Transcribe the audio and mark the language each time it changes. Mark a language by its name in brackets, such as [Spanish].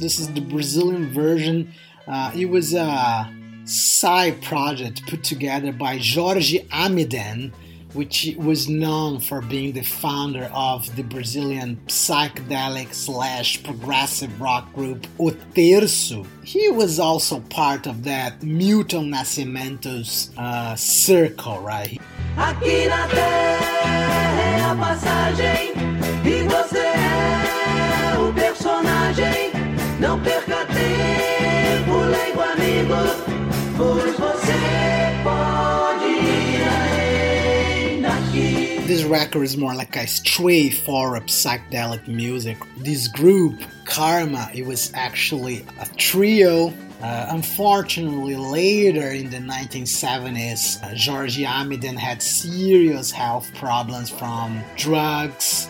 [English] This is the Brazilian version. It was a side project put together by Jorge Amiden, which was known for being the founder of the Brazilian psychedelic / progressive rock group O Terço. He was also part of that Milton Nascimento's circle, right? [Portuguese] Aqui na Terra é a passagem, e você é o personagem. Não perca tempo, leigo amigo, pois você pode ir além daqui. [English] This record is more like a straightforward psychedelic music. This group, Karma, it was actually a trio. Unfortunately, later in the 1970s, Jorge Amiden had serious health problems from drugs.